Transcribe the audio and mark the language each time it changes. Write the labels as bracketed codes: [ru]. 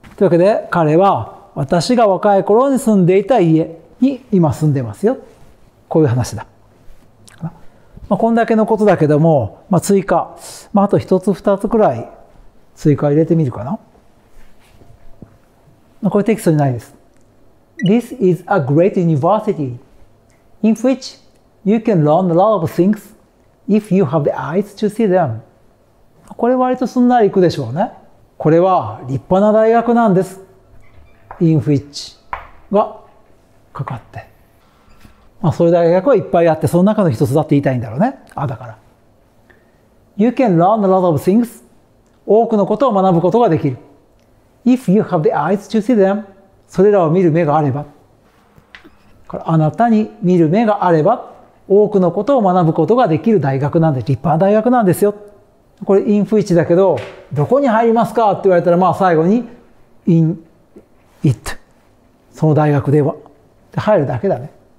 [ja] というわけで、彼は私が若い頃に住んでいた家に今住んでますよ。こういう話だ。こんだけのことだけども、追加。あと一つ二つくらい追加入れてみるかな。これテキストにないです。 [en] This is a great university in which you can learn a lot of things. If you have the eyes to see them. [ja] これ割とすんなりいくでしょうね。これは立派な大学なんです。 in which がかかって。そういう大学はいっぱいあって、その中の一つだって言いたいんだろうね。 [en] あ、だから。You can learn a lot of things. [ja] 多くのことを学ぶことができる。 [en] If you have the eyes to see them. [ja] それらを見る目があれば。からあなたに見る目があれば。多くのことを学ぶことができる大学なんで、立派な大学なんですよ。これ、in which だけど、どこに入りますかって言われたら、最後に、 [en] in it。 [ja] その大学では。で、入るだけだね。